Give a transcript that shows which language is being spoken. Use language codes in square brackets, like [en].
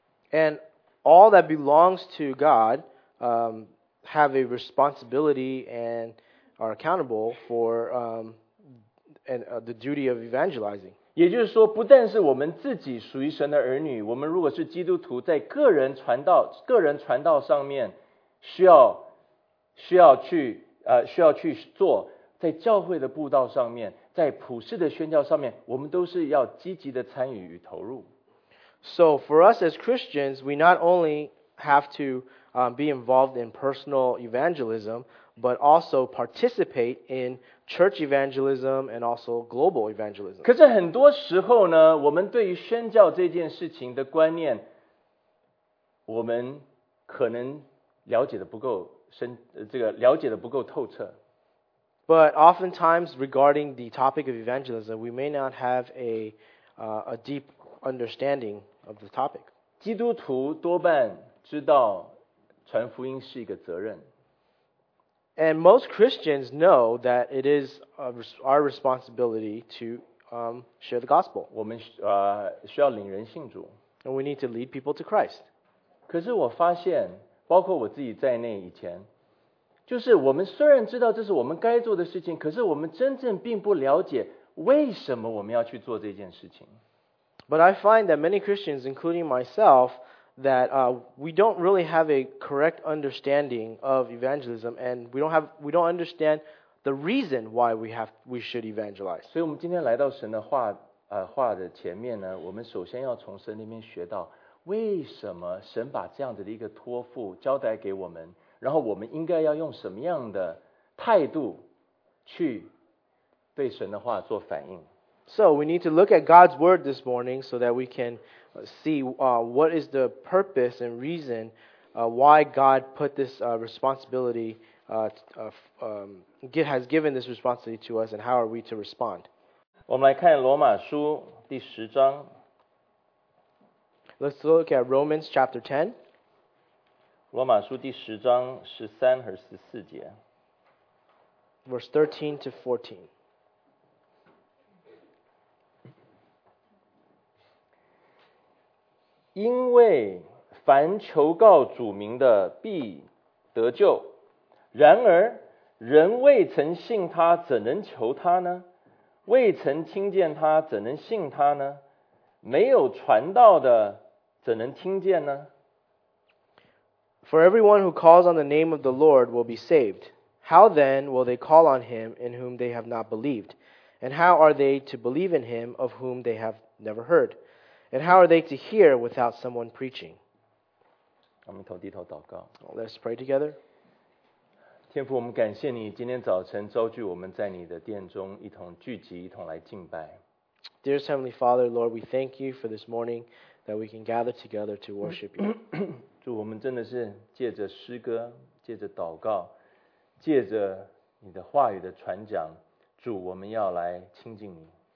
[en] And all that belongs to God have a responsibility and are accountable for the duty of evangelizing. [zh] 也就是说，不但是我们自己属于神的儿女，我们如果是基督徒，在个人传道上面需要去做，在教会的布道上面，在普世的宣教上面，我们都是要积极的参与与投入。 [en] So for us as Christians, we not only have to be involved in personal evangelism, but also participate in church evangelism and also global evangelism. [zh] 可是很多时候呢，我们对于宣教这件事情的观念，我们可能了解的不够深，这个了解的不够透彻。 [en] But oftentimes regarding the topic of evangelism, we may not have a deep understanding of the topic. [zh] 基督徒多半知道传福音是一个责任。 [en] And most Christians know that it is our responsibility to share the gospel. [zh] 我们需要领人信主。 [en] And we need to lead people to Christ. [zh] 可是我发现，包括我自己在内以前，就是我们虽然知道这是我们该做的事情，可是我们真正并不了解为什么我们要去做这件事情。 [en] But I find that many Christians, including myself, that we don't really have a correct understanding of evangelism, and we don't understand the reason why we should evangelize. [zh] 所以，我们今天来到神的话话的前面呢，我们首先要从神那边学到为什么神把这样子的一个托付交代给我们。然后我们应该要用什么样的态度去对神的话做反应。 [en] So we need to look at God's word this morning so that we can see what is the purpose and reason why God put this responsibility, has given this responsibility to us and how are we to respond. [zh] 我们来看罗马书第十章。 [en] Let's look at Romans chapter 10. [zh] 罗马书第十章十三和十四节 [en] ，verse 13 to 14。 [zh] 因为凡求告主名的必得救，然而人未曾信他，怎能求他呢？未曾听见他，怎能信他呢？没有传道的，怎能听见呢？ [en] For everyone who calls on the name of the Lord will be saved. How then will they call on him in whom they have not believed? And how are they to believe in him of whom they have never heard? And how are they to hear without someone preaching? [zh] 我们低头祷告。 [en] Let's pray together. [zh] 天父，我们感谢你今天早晨召聚我们在你的殿中一同聚集，一同来敬拜。 [en] Dearest Heavenly Father, Lord, we thank you for this morning that we can gather together to worship you. [zh] 主，我们真的是借着诗歌，借着祷告，借着你的话语的传讲，主，我们要来亲近你。